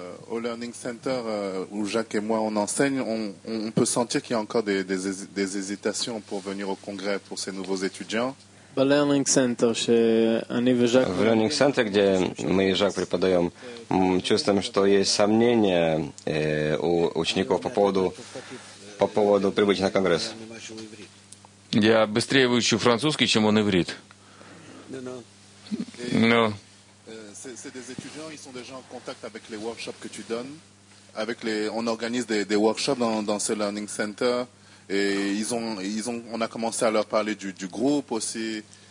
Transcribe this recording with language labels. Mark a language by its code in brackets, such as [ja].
[fr] Au Learning Center où Jacques et moi on enseigne, on peut sentir qu'il y a encore des hésitations pour venir au congrès pour ces nouveaux étudiants. Au Learning Center, chez Jacques. [ru] В Learning Center, где мы и Жак преподаем, чувствуем, что есть сомнения у учеников по поводу прибытия на конгресс. Я быстрее выучу французский, чем он иврит. [fr] Но c'est des étudiants, ils sont déjà en contact avec les workshops que tu donnes. Avec les, on organise des workshops dans ce learning center et ils ont, on a commencé à leur parler du groupe aussi.